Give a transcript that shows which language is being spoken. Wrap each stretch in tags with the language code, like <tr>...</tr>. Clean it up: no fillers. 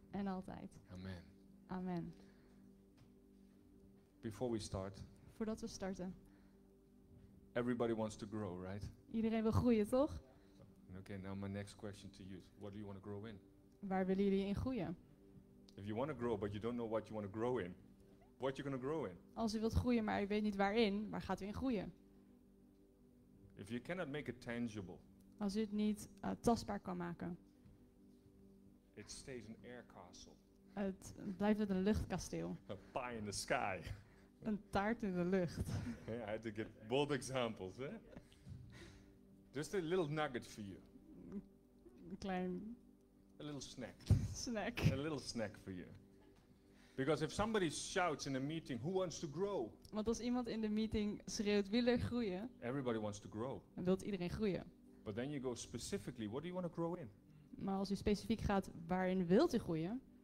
<nl>En altijd. Amen. Amen.</nl> <en>Before we start.</en> <nl>Voordat we starten.</nl> <en>Everybody wants to grow, right?</en> <nl>Iedereen wil groeien, toch?</nl> <en>Okay, now my next question to you. What do you want to grow in?</en> <nl>Waar willen jullie in groeien?</nl> <en>If you want to grow, but you don't know what you want to grow in. What you're going to grow in.</en> <nl>Als u wilt groeien, maar u weet niet waarin, waar gaat u in groeien?</nl> <en>If you cannot make it tangible.</en> <nl>Als u het niet tastbaar kan maken.</nl> <en>It stays an air castle.</en> <nl>Het blijft een luchtkasteel.</nl> <en>A pie in the sky.</en> <nl>Een taart in de lucht.</nl> <en>Yeah, I had to get bold examples, eh? Just a little nugget for you.</en> <nl>Een klein.</nl> <en>A little snack. Snack. A little snack for you. Because if somebody shouts in a meeting, who wants to grow?</en> <nl>Want als iemand in de meeting schreeuwt, wil er groeien?</nl> <en>Everybody wants to grow.</en> <nl>En wilt iedereen groeien?</nl> <en>But then you go specifically, what do you want to grow in?</en> <nl>Maar als u specifiek gaat, waarin wilt u groeien?</nl>